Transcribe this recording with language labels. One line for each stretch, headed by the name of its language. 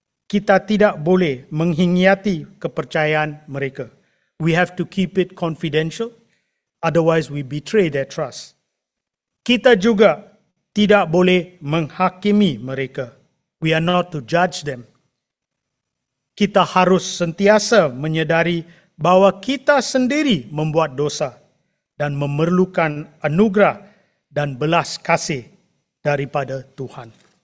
Malay: Kita tidak boleh menghinggiati kepercayaan mereka.
English: We have to keep it confidential, otherwise we betray their trust.
Malay: Kita juga tidak boleh menghakimi mereka.
English: We are not to judge them.
Malay: Kita harus sentiasa menyedari bahwa kita sendiri membuat dosa dan memerlukan anugerah dan belas kasih daripada Tuhan.